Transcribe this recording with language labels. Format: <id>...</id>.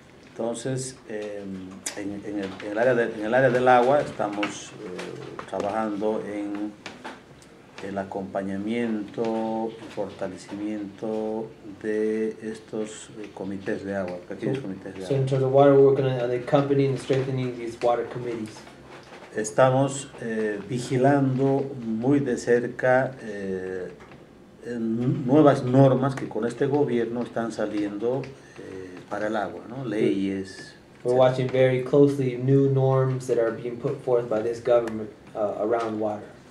<es>Entonces, en el área del agua estamos trabajando en el acompañamiento, el fortalecimiento de estos comités de agua, pequeños comités de agua.</es> <en>So in terms of water, we're working on the company and strengthening these water committees.</en> <es>Estamos vigilando muy de cerca nuevas normas que con este gobierno están saliendo para el agua, ¿no? Leyes.</es> <en>We're watching very closely new norms that are being put forth by this government around water.</en>